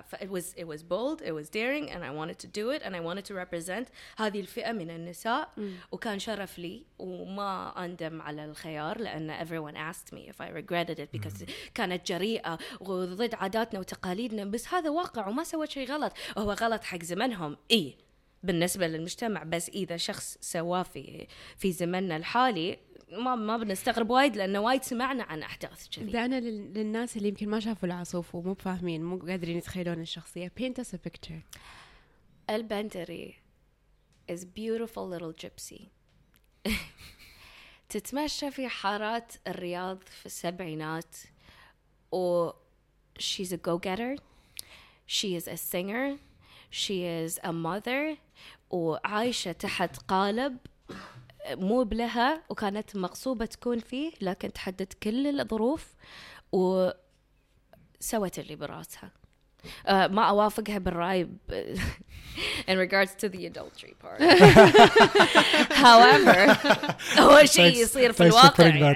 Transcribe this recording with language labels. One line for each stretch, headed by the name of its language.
English: ف it was bold, it was daring, and I wanted to do it, and I wanted to represent
Arabic: هذه الفئه من النساء. وكان شرف لي وما اندم على الخيار، لان
English: everyone asked me if I regretted it
Arabic: because كانت جريئه وضد عاداتنا وتقاليدنا، بس هذا واقع وما سوى شيء غلط. هو غلط حق زمنهم اي بالنسبه للمجتمع، بس اذا شخص سواه في زمننا الحالي ما بنستغرب وايد، لانه وايد سمعنا عن احداث كذي. انا للناس اللي يمكن ما شافوا العصوف ومو فاهمين، مو قادرين يتخيلون الشخصيه،
English: paint us a picture. البندري is beautiful little gypsy.
Arabic: تتمشى في حارات الرياض في السبعينات، و
English: she's a go-getter, she is a singer, she is a mother,
Arabic: وعايشه تحت قالب مو بلها وكانت مقصوبة تكون فيه، لكن تحدد كل الظروف وسوت اللي براسها. ما أوافقها بالرأي
English: in regards to the adultery part.
Arabic: However, هو شيء يصير في الواقع.